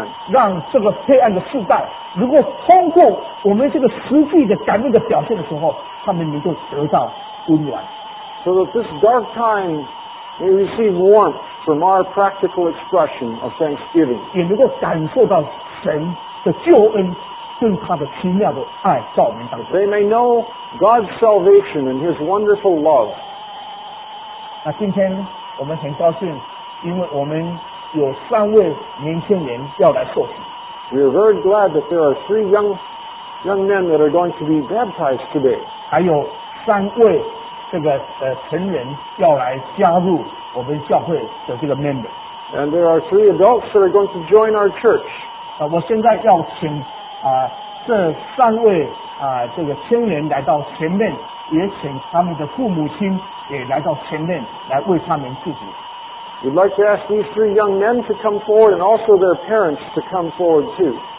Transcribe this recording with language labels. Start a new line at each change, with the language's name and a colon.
Chinese: 让这个黑暗的世代如果通过我们这个实际的感恩的表现的时候他们能够得到温暖
English: so that this dark time may receive warmth from our practical expression of thanksgiving
Chinese: 也能够感受到神的救恩跟他的奇妙的爱在我们当中
English: they may know God's salvation and his wonderful love
Chinese: 那今天我们很高兴因为我们有三位年轻人要来受洗。
English: We are very glad that there are three young men that are going to be baptized today.
Chinese: 还有三位这个成人要来加入我们教会的这个 member.
English: And there are three adults that are going to join our church.
Chinese: 我现在要请这三位这个青年来到前面，也请他们的父母亲也来到前面来为他们祝福。
English: We'd like to ask these three young men to come forward and also their parents to come forward too.